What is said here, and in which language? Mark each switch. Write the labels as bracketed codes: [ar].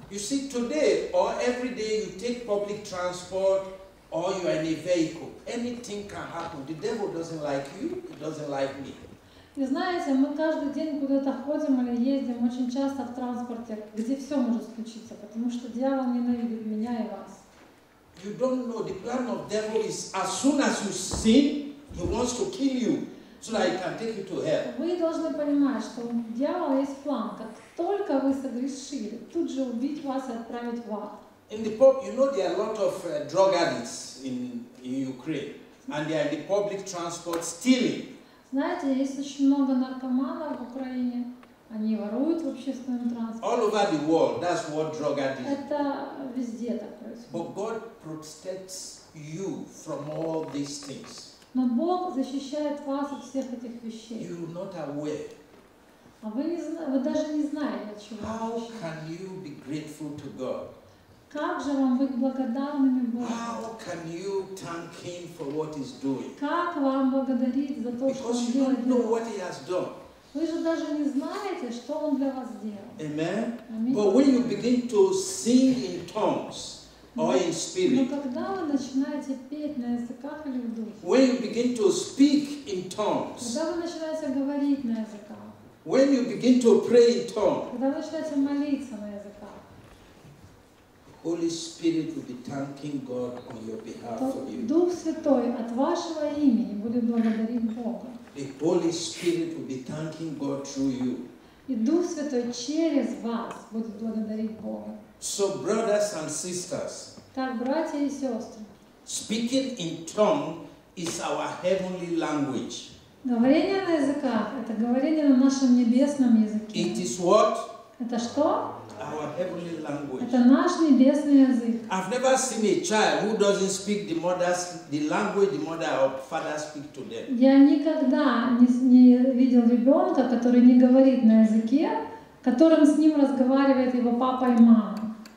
[en] You see, today or every day you take public transport, or you are in a vehicle, anything can happen. The devil doesn't like you, he doesn't like me. [ru] И знаете, мы каждый день куда-то ходим или ездим, очень часто в транспорте, где все может случиться, потому что дьявол ненавидит меня и вас. [en] You don't know, the plan of the devil is as soon as you sin, he wants to kill you, so that he can take you to hell. [ru] Вы должны понимать, что у дьявола есть план, как только вы согрешили, тут же убить вас и отправить в ад. [en] In the pub, you know, there are a lot of drug addicts in Ukraine, and they are in the public transport stealing. [ru] Знаете, есть очень много наркоманов в Украине. Они воруют в общественном транспорте. [en] All over the world, that's what drug addicts. [ru] Это везде так происходит. [en] But God protects you from all these things. [ru] Но Бог защищает вас от всех этих вещей. [en] You are not aware. [ru] А вы даже не знаете, от чего. [en] How can you be grateful to God? [ru] Как же вам быть благодарными Богу? [en] How can you thank him for what he's doing? [ru] Как вам благодарить за то, [en] Because [ru] что он делает? [en] Because you don't know what he has done. [ru] Вы же даже не знаете, что он для вас сделал. [en] Amen. Amen. But when you begin to sing in tongues or in spirit. [ru] Но когда вы начинаете петь на языках или в духе? [en] When you begin to speak in tongues. [ru] Когда вы начинаете говорить на языках? [en] When you begin to pray in tongues. [ru] Когда вы начинаете молиться на языках? [en] Holy Spirit will be thanking God on your behalf for you. [ru] Дух Святой от вашего имени будет благодарить Бога. [en] The Holy Spirit will be thanking God through you. [ru] И Дух Святой через вас будет благодарить Бога. [en] So brothers and sisters. [ru] Так, братья и сестры. [en] Speaking in tongue is our heavenly language. [ru] Говорение на языках это говорение на нашем небесном языке. [en] It is what? [ru] Это что? [en] Our heavenly language. [ru] Это наш небесный язык. [en] I've never seen a child who doesn't speak the language the mother or father speak to them. [ru] Я никогда не видел ребенка, который не говорит на языке, которым с ним разговаривает его папа и мама.